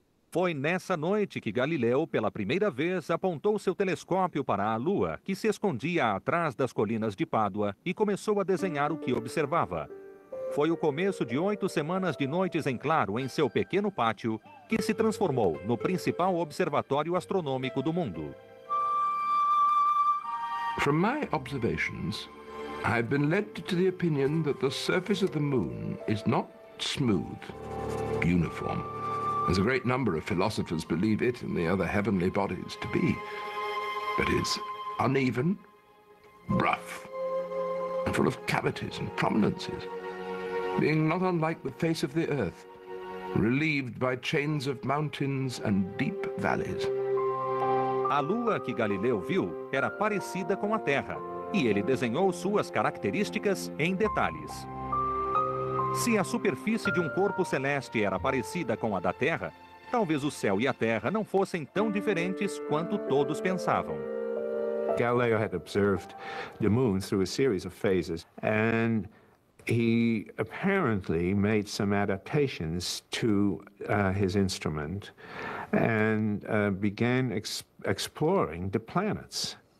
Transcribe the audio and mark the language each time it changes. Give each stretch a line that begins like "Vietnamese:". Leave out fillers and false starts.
Portuguese: Foi nessa noite que Galileu, pela primeira vez, apontou seu telescópio para a Lua, que se escondia atrás das colinas de Pádua, e começou a desenhar o que observava. Foi o começo de 8 semanas de noites em claro em seu pequeno pátio, que se transformou no principal observatório astronômico do mundo.
English: From my observations, I've been led to the opinion that the surface of the moon is not smooth, uniform, as a great number of philosophers believe it and the other heavenly bodies to be, but is uneven, rough, and full of cavities and prominences, being not unlike the face of the earth, relieved by chains of mountains and deep valleys.
Portuguese: A lua que Galileu viu era parecida com a Terra. E ele desenhou suas características em detalhes. Se a superfície de um corpo celeste era parecida com a da Terra, talvez o céu e a Terra não fossem tão diferentes quanto todos pensavam.
English: Galileo had observed the moon through a series of phases, and he apparently made some adaptations to his instrument and began exploring the planets.